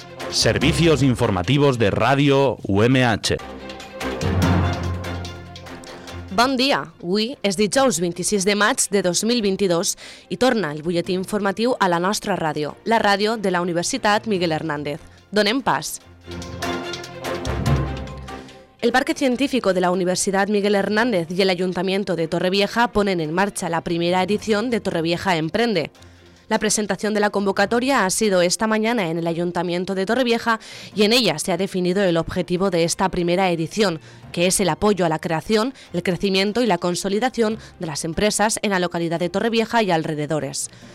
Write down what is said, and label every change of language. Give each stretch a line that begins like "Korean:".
Spanish: Servicios informativos de Radio UMH.
Catalan: Bon dia. Avui és dijous 26 de maig de 2022 i torna el butlletí informatiu a la nostra ràdio, la ràdio de la Universitat Miguel Hernández. Donem pas.
Spanish: El Parque Científico de la Universidad Miguel Hernández y el Ayuntamiento de Torrevieja ponen en marcha la primera edición de Torrevieja Emprende. La presentación de la convocatoria ha sido esta mañana en el Ayuntamiento de Torrevieja y en ella se ha definido el objetivo de esta primera edición, que es el apoyo a la creación, el crecimiento y la consolidación de las empresas en la localidad de Torrevieja y alrededores.